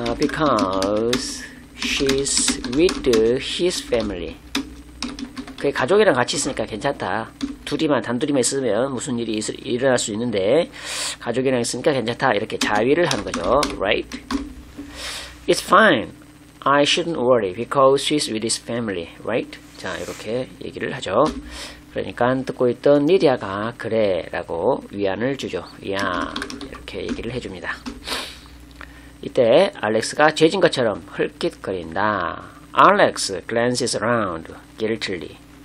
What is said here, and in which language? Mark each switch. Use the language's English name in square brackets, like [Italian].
[English] Because she's with his family. [Korean] 그의 가족이랑 같이 있으니까 괜찮다. 둘이만 단둘이만 있으면 무슨 일이 일어날 수 있는데 가족이랑 있으니까 괜찮다. 이렇게 자위를 하는 거죠. [English] Right? It's fine. I shouldn't worry because she's with his family. Right? [Korean] 자, 이렇게 얘기를 하죠. 그러니까 듣고 있던 리디아가 그래 라고 위안을 주죠. 야, 이렇게 얘기를 해줍니다. 이때 알렉스가 죄진 것처럼 흘낏거린다. [English] Alex glances around guiltily.